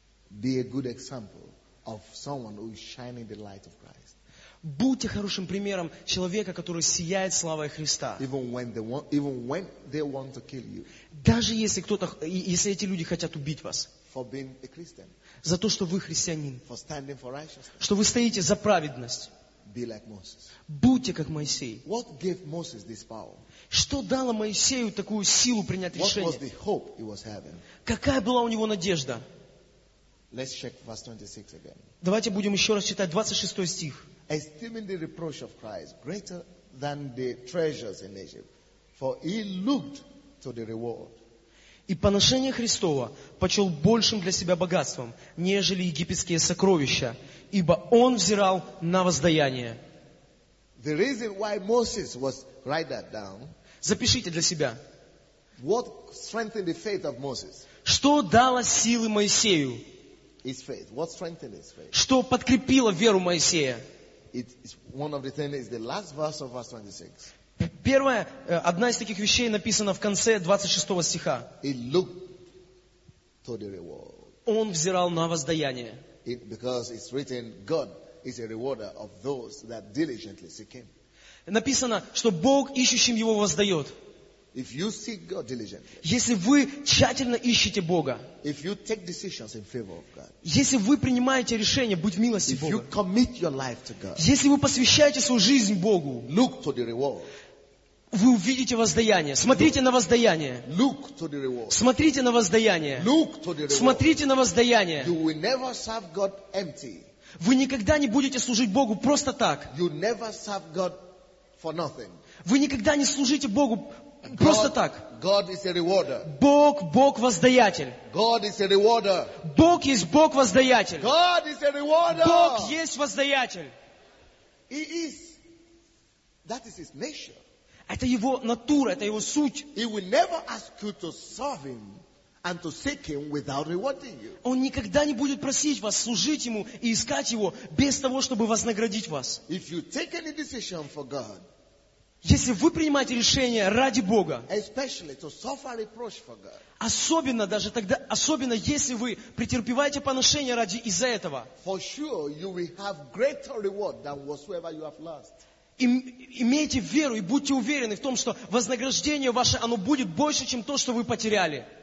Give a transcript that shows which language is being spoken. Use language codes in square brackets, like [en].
[en] be a good example of someone who is shining the light of Christ. [ru] Будьте хорошим примером человека, который сияет славой Христа. [en] Even when they want to kill you, [ru] даже если эти люди хотят убить вас, [en] for being a Christian, [ru] за то, что вы христианин, [en] for standing for righteousness, [ru] что вы стоите за праведность. [en] Be like Moses. [ru] Будьте как Моисей. [en] What gave Moses this power? [ru] Что дало Моисею такую силу принять [en] What [ru] решение? [en] Was the hope he was having? [ru] Какая была у него надежда? [en] Let's check verse 26 again. [ru] Давайте будем еще раз читать 26 стих. [en] Esteeming the reproach of Christ greater than the treasures in Egypt, for he looked to the reward. [ru] И поношение Христово почел большим для себя богатством, нежели египетские сокровища, ибо он взирал на воздаяние. [en] The reason why Moses was write that down, [ru] запишите для себя. [en] What strengthened the faith of Moses? [ru] Что дало силы Моисею? [en] His faith. What strengthened his faith? [ru] Что подкрепило веру Моисея? [en] It's one of the things is the last verse of verse 26. [ru] Первая, одна из таких вещей написана в конце 26 стиха. [en] He looked to the reward. [ru] Он взирал на воздаяние. [en] It, because it's written, God is a rewarder of those that diligently seek him. [ru] Написано, что Бог ищущим его воздает. [en] If you seek God diligently, [ru] если вы тщательно ищете Бога, [en] if you take decisions in favor of God, [ru] если вы принимаете решение быть в милости [en] if [ru] Бога, [en] you commit your life to God, [ru] если вы посвящаете свою жизнь Богу, [en] look to the reward. [ru] Вы увидите воздаяние. Смотрите на воздаяние. [en] Look to the reward. [ru] Смотрите на воздаяние. [en] Look to the reward. [ru] Смотрите на воздаяние. [en] You will never serve God empty. [ru] Вы никогда не будете служить Богу просто так. [en] You never serve God for nothing. [ru] Вы никогда не служите Богу просто так. [en] God is a rewarder. [ru] Бог – Бог воздаятель. [en] God is a rewarder. [ru] Бог есть Бог воздаятель. [en] God is a rewarder. [ru] Бог есть воздаятель. [en] He is. That is his nature. [ru] Это его натура, это его суть. [en] He will never ask you to serve him and to seek him without rewarding you. [ru] Он никогда не будет просить вас служить ему и искать его без того, чтобы вознаградить вас. [en] If you take any decision for God, [ru] если вы принимаете решение ради Бога, [en] especially to suffer reproach for God, [ru] особенно даже тогда, особенно если вы претерпеваете поношение ради из-за этого, [en] for sure you will have greater reward than whatsoever you have lost. [ru] Имейте веру и будьте уверены в том, что вознаграждение ваше, оно будет больше, чем то, что вы потеряли.